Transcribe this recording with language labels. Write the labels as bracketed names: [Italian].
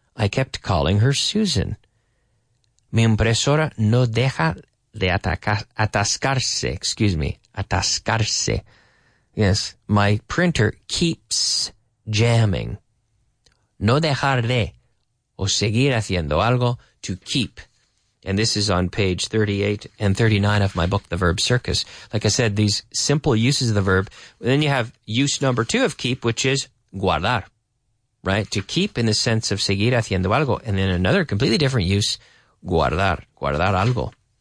[English] I kept calling her Susan. [Spanish] Mi impresora no deja de atascarse, [English] excuse me, [Spanish] atascarse. [English] Yes, my printer keeps jamming. [Spanish] No dejar de, o seguir haciendo algo, [English] to keep. And this is on page 38 and 39 of my book, The Verb Circus. Like I said, these simple uses of the verb. Then you have use number two of keep, which is guardar, right? To keep in the sense of [Spanish] seguir haciendo algo. [English] And then another completely different use, [Spanish] guardar, guardar algo.